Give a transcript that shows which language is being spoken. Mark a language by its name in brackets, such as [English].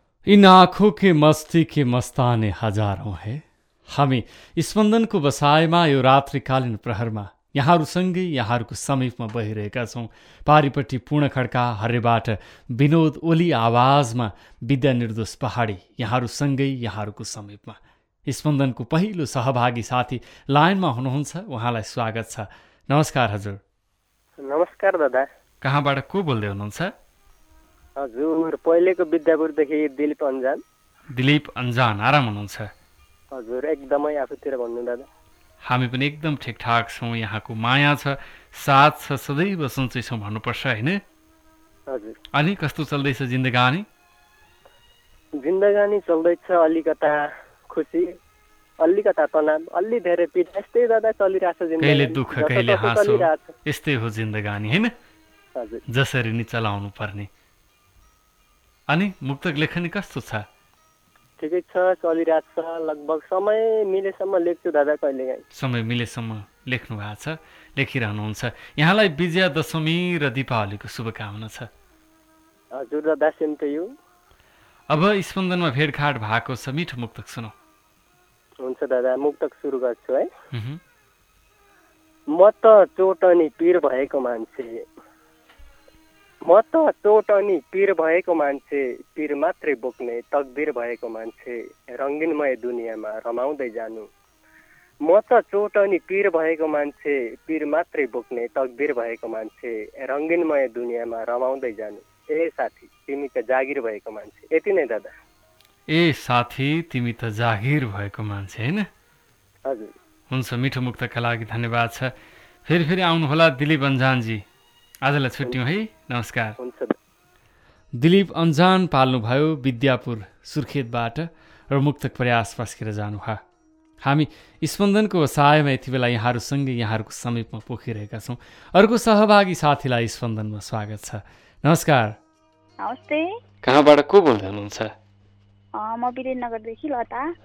[Hindi] इन आँखों के मस्ती के मस्ताने हजारों है। [Nepali] हामी स्पन्दनको बसायमा यो रात्रिकालीन प्रहरमा यहाँहरूसँगै यहाँहरूको समीपमा बहिरहेका छौँ। पारिपट्टि पूर्ण खड्का हरेबाट विनोद ओली आवाजमा विद्या निर्दोष पहाडी यहाँहरूसँगै यहाँहरूको समीपमा स्पन्दनको पहिलो सहभागी साथी लाइनमा हुनुहुन्छ, उहाँलाई स्वागत छ। नमस्कार हजुर। नमस्कार दादा। कहाँबाट को बोल्दै हुनुहुन्छ? हजुर, पहिलेको विद्यापुरदेखि दिलीप अन्जान। दिलीप अन्जान, आराम हुनुहुन्छ? हजुर, एकदमै आफूतिर भन्नु दादा। हामी पनि एकदम ठिकठाक छौँ। यहाँको माया छ, साथ छ, सदैव सन्चै छौँ भन्नुपर्छ, होइन? हजुर। अनि कस्तो चल्दैछ जिन्दगानी? जिन्दगानी चल्दैछ अलिकता खुसी, अलिकता तनाव, अलि धेरै पीडा, यस्तै दादा चलिरहेछ जिन्दगानी। कहिले दुःख कहिले हाँसो, यस्तै हो जिन्दगानी, होइन? हजुर, जसरी नि चलाउनु पर्ने। अनि मुक्तक लेखनी कस्तो छ? ठिकै छ, चलिरहेको छ, लगभग समय मिलेसम्म लेख्छु दादा, कहिले काहीँ समय मिलेसम्म लेख्नु भएको छ, लेखिरहनुहुन्छ। यहाँलाई विजया दशमी र दीपावलीको शुभकामना छ। हजुर दादा, सेम टु यु। अब स्पन्दनमा भेटघाट भएको छ, मिठो मुक्तक सुनौ। हुन्छ दादा, मुक्तक सुरु गर्छु है। म त चोट अनि पिर भएको मान्छे, म त चोट अनि पिर भएको मान्छे, पिर मात्रै बोक्ने तकबिर भएको मान्छे, रङ्गीनमय दुनियाँमा रमाउँदै जानु। म त चोट अनि पिर भएको मान्छे, पिर मात्रै बोक्ने तकबिर भएको मान्छे, रङ्गीनमय दुनियाँमा रमाउँदै जानु। ए साथी, तिमी त जागिर भएको मान्छे, यति नै दादा। ए साथी, तिमी त जागिर भएको मान्छे, होइन? हजुर। हुन्छ, मिठो मुक्तका लागि धन्यवाद छ। फेरि आउनुहोला दिलीप अन्जानजी, आजलाई छुट्टी है। नमस्कार। दिलीप अन्जान पाल्नुभयो विद्यापुर सुर्खेतबाट र मुक्तक प्रयास पस्केर जानुभयो। हामी स्पन्दनको सहायमा यति बेला यहाँहरूसँगै यहाँहरूको समीपमा पोखिरहेका छौँ। अर्को सहभागी साथीलाई स्पन्दनमा स्वागत छ। नमस्कार। नमस्ते। कहाँबाट को बोल्दै हुनुहुन्छ? म वीरेन्द्रनगरदेखि लता।